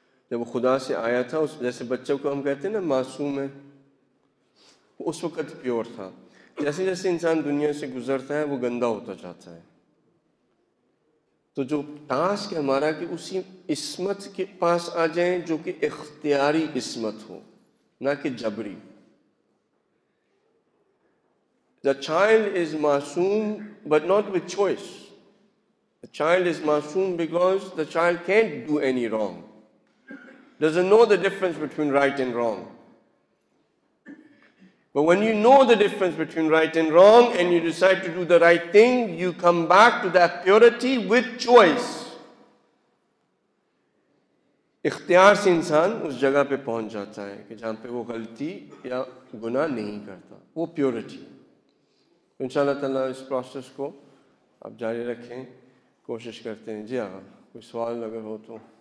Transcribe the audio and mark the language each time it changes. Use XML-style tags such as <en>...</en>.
<ur>جب وہ خدا سے آیا تھا, جیسے بچوں کو ہم کہتے ہیں نا معصوم ہے, وہ اس وقت پیور تھا. جیسے جیسے انسان دنیا سے گزرتا ہے وہ گندا ہوتا جاتا ہے. تو جو ٹاسک ہمارا کہ اسی عصمت کے پاس آ جائیں جو کہ اختیاری عصمت ہو, نہ کہ جبری.</ur> <en>The child is masoom, but not with choice. The child is masoom because the child can't do any wrong. Doesn't know the difference between right and wrong. But when you know the difference between right and wrong and you decide to do the right thing, you come back to that purity with choice.</en> <ur>اختیار سے انسان اس جگہ پہ پہنچ جاتا ہے کہ جہاں پہ وہ غلطی یا گناہ نہیں کرتا, وہ پیورٹی. ان شاء اللہ تعالیٰ اس پروسیس کو آپ جاری رکھیں, کوشش کرتے ہیں. جی آغا, کوئی سوال اگر ہو تو.</ur>